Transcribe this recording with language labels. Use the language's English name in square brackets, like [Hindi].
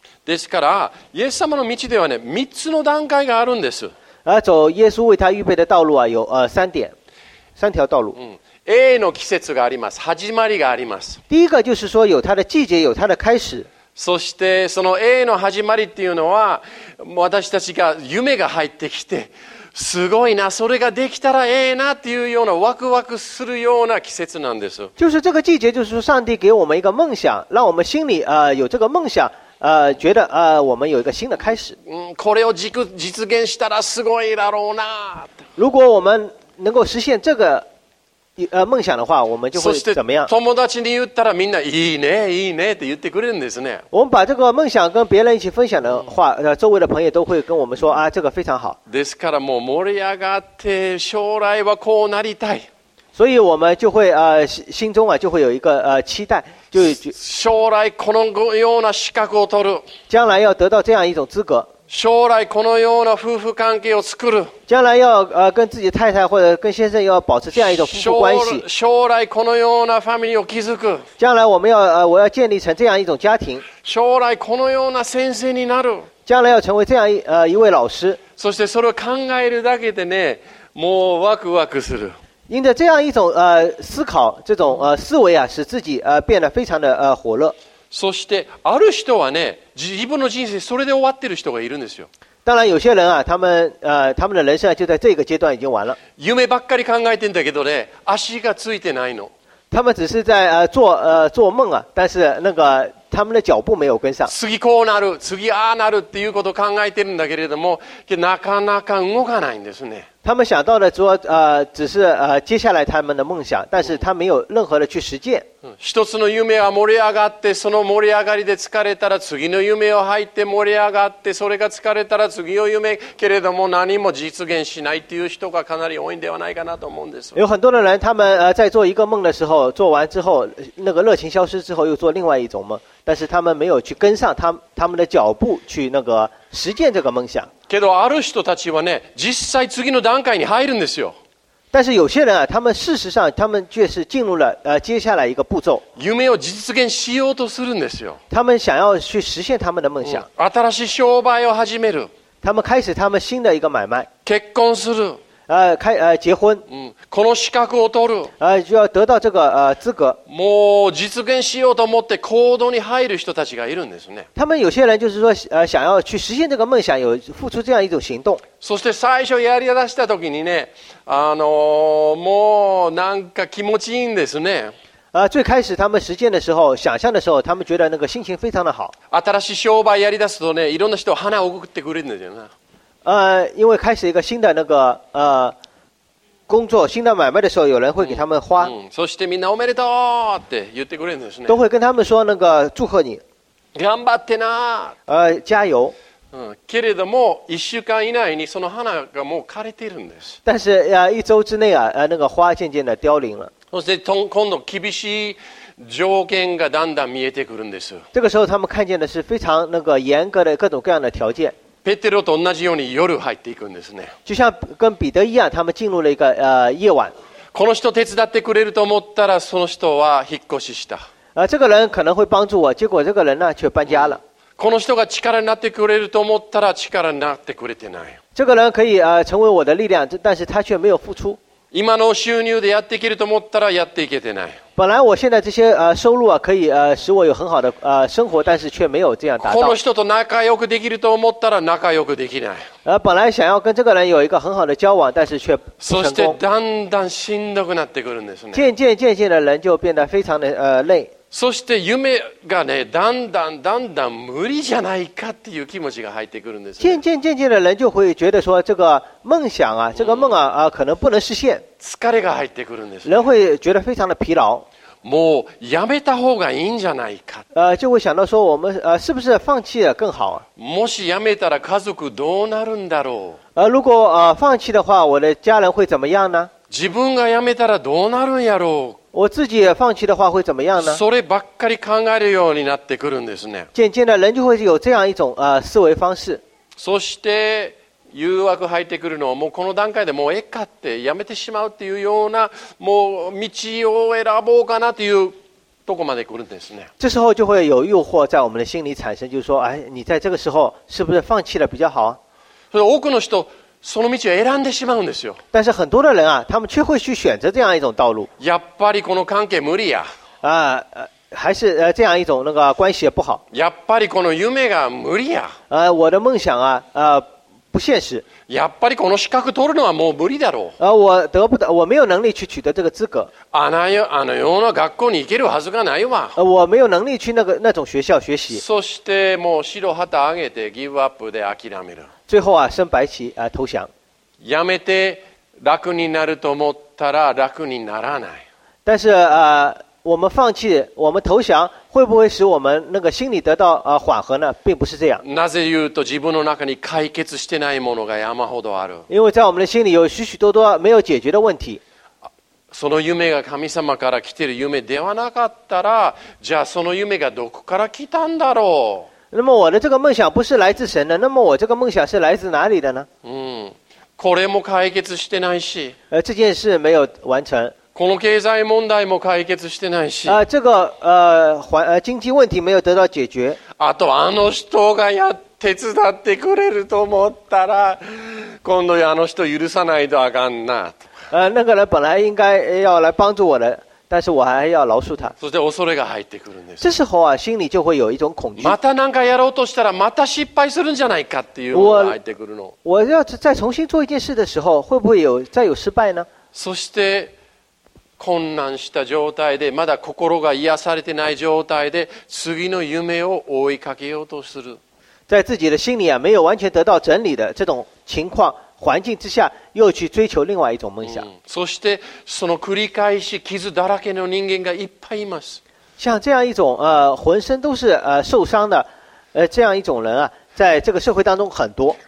[Japanese] ですから、イエス様の道ではね、三つの段階があるんです。 [Chinese] 走イエス为他预备的道路は有三点、三条道路。 [Japanese] A の季節があります。始まりがあります。 [Chinese] 第一个就是说有它的季节，有它的开始。 [Japanese] そしてその A の始まりっていうのは、私たちが夢が入ってきて、すごいな、それができたらええなっていうようなワクワクするような季節なんです。 [Chinese] 就是这个季节，就是上帝给我们一个梦想，让我们心里有这个梦想。觉得我们有一个新的开始。 [Japanese] これを実現したらすごいだろうな。 [Chinese] 如果我们能够实现这个梦想的话，我们就会怎么样？ [Japanese] 友達に言ったらみんないいねいいねって言ってくれるんですね。 [Chinese] 我们把这个梦想跟别人一起分享的话，周围的朋友都会跟我们说啊，这个非常好。 [Japanese] ですからもう盛り上がって将来はこうなりたい。 [Chinese] 所以我们就会心中就会有一个期待。 [Japanese] 将来このような資格を取る。 [Chinese] 将来要得到这样一种资格。 [Japanese] 将来このような夫婦関係を作る。 [Chinese] 将来要跟自己太太或者跟先生要保持这样一种夫妇关系。 [Japanese] 将来このようなファミリーを築く。 [Chinese] 将来我要建立成这样一种家庭。 [Japanese] 将来このような先生になる。 [Chinese] 将来要成为这样一位老师。 [Japanese] そしてそれを考えるだけでね、もうワクワクする。 [Chinese] 因着这样一种思考，这种思维啊，使自己变得非常的火热。 [Japanese] そしてある人はね、自分の人生それで終わってる人がいるんですよ。 [Chinese] 当然有些人啊，他们的人生就在这个阶段已经完了。 [Japanese] 夢ばっかり考えてんだけどね、足がついてないの。 [Chinese] 他们只是在做梦啊，但是那个他们的脚步没有跟上。 [Japanese] 次こうなる、次ああなるっていうことを考えてるんだけれども、なかなか動かないんですね。 [Chinese] 他们想到的只是接下来他们的梦想，但是他没有任何的去实践。 [Japanese] 一つの夢は盛り上がって、その盛り上がりで疲れたら次の夢を入って盛り上がって、それが疲れたら次の夢けれども何も実現しないっていう人がかなり多いんではないかなと思うんです。 [Chinese] 有很多的人，他们在做一个梦的时候，做完之后那个热情消失之后，又做另外一种梦，但是他们没有去跟上他们的脚步去那个实践这个梦想。 [Japanese] けどある人たちはね、実際次の段階に入るんですよ。 [Chinese] 但是有些人啊，他们事实上他们却是进入了接下来一个步骤。 [Japanese] 夢を実現しようとするんですよ。 [Chinese] 他们想要去实现他们的梦想。 [Japanese] 新しい商売を始める。 [Chinese] 他们开始他们新的一个买卖。 [Japanese] 結婚する。 [Chinese] 结婚。 [Japanese] この資格を取る。 [Chinese] 就要得到这个资格。 [Japanese] もう実現しようと思って行動に入る人たちがいるんですね。 [Chinese] 他们有些人就是说想要去实现这个梦想，有付出这样一种行动。 [Japanese] そして最初やり出した時にね、もうなんか気持ちいいんですね。 [Chinese] 最开始他们实践的时候、想象的时候、他们觉得那个心情非常的好。 [Japanese] 新しい商売やり出すとね、いろんな人花を送ってくれるんですよね。 [Chinese] 因为开始一个新的那个工作、新的买卖的时候、有人会给他们花。 [Japanese] そしてみんなおめでとうって言ってくれるんですね。 [Chinese] 都会跟他们说那个祝贺你。 [Japanese] 頑張ってな。 [Chinese] 加油。 [Japanese] けれども一週間以内にその花がもう枯れてるんです。 [Chinese] 但是一周之内啊，那个花渐渐的凋零了。 [Japanese] そして今度厳しい条件がだんだん見えてくるんです。 [Chinese] 这个时候他们看见的是非常那个严格的各种各样的条件。 [Japanese] ペテロと同じように夜入っていくんですね。 [Chinese] 就像跟彼得一样，他们进入了一个夜晚。 [Japanese] この人手伝ってくれると思ったらその人は引っ越しした。 [Chinese] 这个人可能会帮助我，结果这个人呢却搬家了。 [Japanese] この人が力になってくれると思ったら力になってくれてない。 [Chinese] 这个人可以成为我的力量，但是他却没有付出。 [Japanese] 今の収入でやっていけると思ったらやっていけてない。 [Chinese] 本来我现在这些收入啊可以使我有很好的生活，但是却没有这样达到。 [Japanese] この人と仲良くできると思ったら仲良くできない。 [Chinese] 本来想要跟这个人有一个很好的交往，但是却不成功。 [Japanese] そしてだんだんしんどくなってくるんですね。 [Chinese] 渐渐的人就变得非常的累。 [Japanese] そして夢がね、だんだんだんだん無理じゃないかっていう気持ちが入ってくるんですね。 [Chinese] 渐渐的人就会觉得说，这个梦想啊，这个梦啊，可能不能实现。 [Japanese] 疲れが入ってくるんです。 [Chinese] 人会觉得非常的疲劳。 [Japanese] もうやめた方がいいんじゃないか。 [Chinese] 就会想到说，我们是不是放弃了更好？ [Japanese] もしやめたら家族どうなるんだろう？ [Chinese] 如果放弃的话，我的家人会怎么样呢？ [Japanese] 自分がやめたらどうなるんやろう？ [Chinese] 我自己放弃的话会怎么样呢？ [Japanese] そればっかり考えるようになってくるんですね。 [Chinese] 渐渐的人就会有这样一种思维方式。 [Japanese] そして誘惑入ってくるのはもうこの段階でもうかってやめてしまうっていうようなもう道を選ぼうかなというとこまで来るんですね。 [Chinese] 这时候就会有诱惑在我们的心里产生，就是说，哎，你在这个时候是不是放弃了比较好？ [Japanese] 所以多くの人。その道を選んでしまうんですよ。 [Chinese] 但是很多的人啊，他们却会去选择这样一种道路。 [Japanese] やっぱりこの関係無理や。 [Chinese] 还是这样一种那个关系也不好。 [Japanese] やっぱりこの夢が無理や。 [Chinese] 我的梦想啊，不现实。 [Japanese] やっぱりこの資格取るのはもう無理だろう。 [Chinese] 我得不到，我没有能力去取得这个资格。 [Japanese] あのような学校に行けるはずがないわ。 [Chinese] 我没有能力去那种学校学习。 [Japanese] そしてもう白旗上げてギブアップで諦める。 [Chinese] 最后啊，升白旗啊，投降。 [Japanese] やめて楽になると思ったら楽にならない。 [Chinese] 但是我们放弃，我们投降，会不会使我们那个心里得到缓和呢？并不是这样。 [Japanese] なぜ言うと自分の中に解決してないものが山ほどある。 [Chinese] 因为在我们的心里有许许多多没有解决的问题。 [Japanese] その夢が神様から来てる夢ではなかったら、じゃあその夢がどこから来たんだろう？ [Chinese] 那么我的这个梦想不是来自神的，那么我这个梦想是来自哪里的呢？ [Japanese] これも解決してないし。 [Chinese] 这件事没有完成。 [Japanese] この経済問題も解決してないし。 [Chinese] 这个经济问题没有得到解决。 [Japanese] あとあの人がやっ手伝ってくれると思ったら、今度あの人許さないとあかんな。 [Chinese] 那个人本来应该要来帮助我的。但是我还要饶恕他。 [Japanese] そして恐れが入ってくるんです。 [Chinese] 这时候啊，心里就会有一种恐惧。 [Japanese] また何かやろうとしたら、また失敗するんじゃないかっていうのが入ってくるの。 [Chinese] 我要再重新做一件事的时候，会不会有再有失败呢？ [Japanese] そして困難した状態で、まだ心が癒されてない状態で、次の夢を追いかけようとする。 [Chinese] 在自己的心里啊，没有完全得到整理的这种情况。环境之下又去追求另外一种梦想。 [Japanese] そしてその繰り返し傷だらけの人間がいっぱいいます。 [Chinese] 像这样一种浑身都是受伤的这样一种人啊，在这个社会当中很多。